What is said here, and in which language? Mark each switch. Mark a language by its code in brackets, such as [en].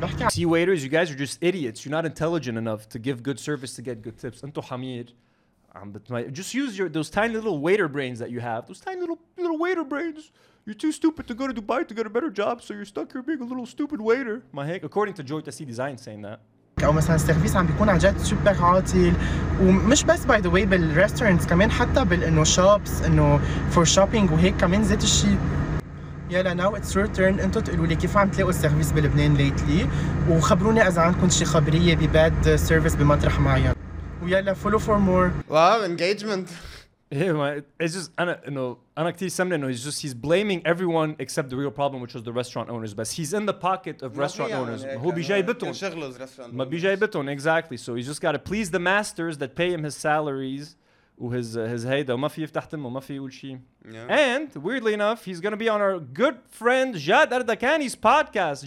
[en] See, waiters, you guys are just idiots. You're not intelligent enough to give good service to get good tips. [ar] أنتو حمير. [en] Just use those tiny little waiter brains that you have. Those tiny little waiter brains. You're too stupid to go to Dubai to get a better job, so you're stuck here being a little stupid waiter. My heck, according to Joy Tassidis, I ain't saying that. [ar] أو مثلاً السيرفيس عم بيكون عجات سوبر عاطل ومش بس [en] by the way [ar] بالريستورانتس كمان حتى بالإنه شوبس إنه [en] for shopping [ar] وهيك كمان زيت الشيء. [en] يلا now it's your turn. [ar] انتو تقولوا لي كيف عم تلاقوا السيرفيس بلبنان lately وخبروني إذا عندكم شي خبرية ب bad service بمطرح معين. [en] ويلا follow for more. Wow, engagement. Yeah, man. It's just [ar] أنا كتير سمعت إنه [en] he's blaming everyone except the real problem, which was the restaurant owners. But he's in the pocket of restaurant owners. [ar] هو بيجاي بتون. ما بيجاي بتون exactly. [en] So he's just gotta please the masters that pay him his salaries. [ar] His هيدا وما في يفتح تمه وما في يقول شيء. [en] And weirdly enough, he's gonna be on our good friend Jad Ardakani's podcast.